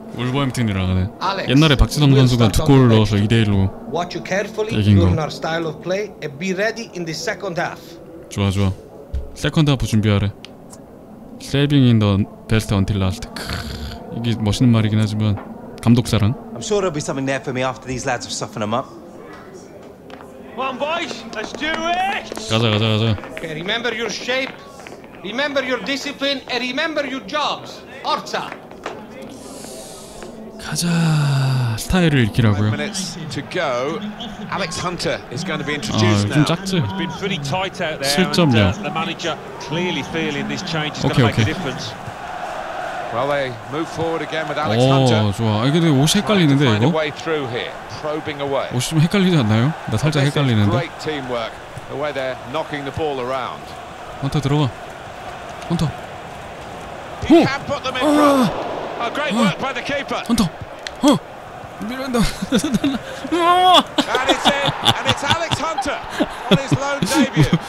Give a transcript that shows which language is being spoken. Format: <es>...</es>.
<ko>울버햄튼이라고 하네. 옛날에 박지성 선수가 두 골을 넣어서 2-1로</ko> <en>Watch you carefully, learn our style of play and be ready in the second half.</en> <ko>좋아, 좋아. 세컨드 하프 준비하래.</ko> <en>Saving in the best until last.</en> <ko>이게 멋있는 말이긴 하지만 감독 사랑.</ko> <en>I'm sure there'll be something there for me after these lads have softened them up. Come on, boys, let's do it.</en> <ko>가자, 가자, 가자.</ko> <en>Okay, remember your shape, remember your discipline, and remember your jobs. Orza.</en> <ko>가자. 스타일을 익히라고요.</ko> <en>Minutes to go. Alex Hunter is going to be introduced now. It's been pretty tight out there.</en> <ko>7점이야.</ko> <en>The manager clearly feeling this change is going to make a difference. Well, they move forward again with Alex Hunter.</en> <ko>좋아. 아, 근데 옷이 헷갈리는데 이거? 옷이 좀 헷갈리지 않나요? 나 살짝 헷갈리는데.</ko> <en>Great teamwork. The way they're knocking the ball around.</en> <ko>헌터 들어가. 헌터. 오!</ko> <en>A great work by the keeper.</en> <ko>헌터. 어! 미란다.</ko> <en>And it's Alex Hunter on his lone debut.</en>